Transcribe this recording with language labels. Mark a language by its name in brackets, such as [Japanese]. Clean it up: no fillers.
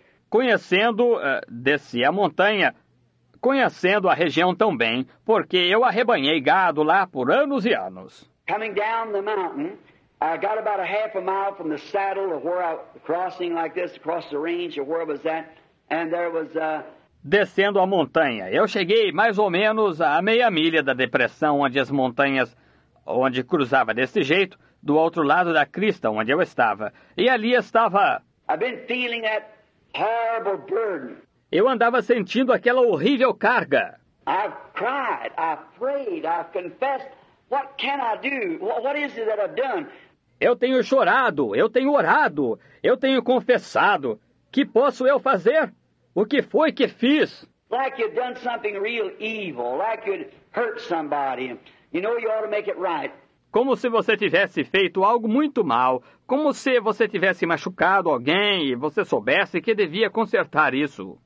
[Portuguese] Conhecendo, desci a montanha, conhecendo a região tão bem, porque eu arrebanhei gado lá por anos e anos. [English] Coming down the mountain, I got about a half a mile from the saddle of where I was crossing like this across the range of where I was at, and there was a. [Portuguese] Descendo a montanha, eu cheguei mais ou menos a meia milha da depressão onde as montanhas, onde cruzava desse jeito. Do outro lado da crista onde eu estava. E ali estava. [English] I've been feeling that horrible burden. [Portuguese] Eu andava sentindo aquela horrível carga. [English] I've cried, I've prayed, I've confessed. What can I do? What is it that I've done? [Portuguese] Eu tenho chorado, eu tenho orado, eu tenho confessado. Que posso eu fazer? O que foi que fiz? [English] Like you've done something real evil, like you'd hurt somebody. You know you ought to make it right. [Portuguese] Como se você tivesse feito algo muito mal, como se você tivesse machucado alguém e você soubesse que devia consertar isso.